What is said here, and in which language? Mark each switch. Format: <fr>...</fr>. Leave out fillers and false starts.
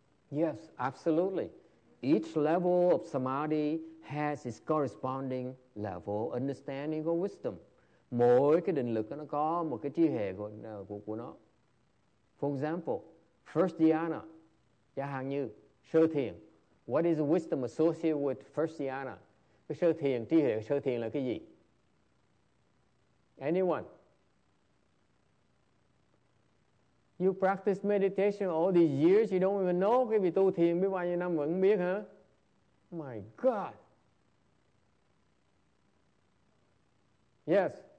<en>Yes, absolutely. Each level of samadhi has its corresponding level of understanding or wisdom.</en> <vi>Mỗi cái định lực nó có một cái trí huệ của nó.</vi> <en>For example, first dhyana,</en> <vi>giả hạn như sơ thiền.</vi> <en>What is the wisdom associated with first dhyana?</en> <vi>Cái sơ thiền, trí huệ sơ thiền là cái gì?</vi> <en>Anyone? You practice meditation all these years, you don't even know.</en> <vi>Cái vị tu thiền biết bao nhiêu năm vẫn biết hả?</vi> <en>My God. Yes.</en>